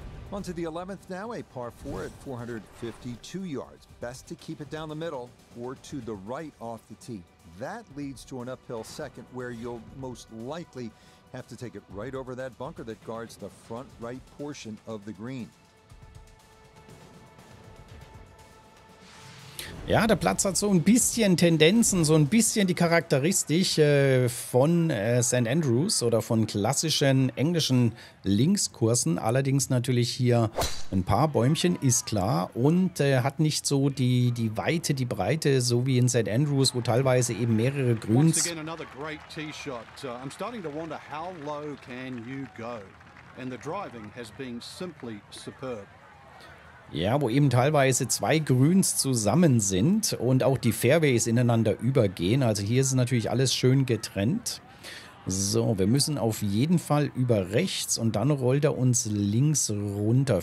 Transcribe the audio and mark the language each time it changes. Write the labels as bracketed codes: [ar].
[en] On to the 11th now, a par 4 at 452 yards. Best to keep it down the middle or to the right off the tee. That leads to an uphill second where you'll most likely have to take it right over that bunker that guards the front right portion of the green. [de] Ja, der Platz hat so ein bisschen Tendenzen, so ein bisschen die Charakteristik von St. Andrews oder von klassischen englischen Linkskursen. Allerdings natürlich hier ein paar Bäumchen, ist klar. Und hat nicht so die Weite, die Breite, so wie in St. Andrews, wo teilweise eben mehrere Grüns. [en] Once again another great tee shot. I'm starting to wonder how low can you go? And the driving has been simply superb. [de] Ja, wo eben teilweise zwei Grüns zusammen sind und auch die Fairways ineinander übergehen. Also hier ist natürlich alles schön getrennt. So, wir müssen auf jeden Fall über rechts und dann rollt er uns links runter.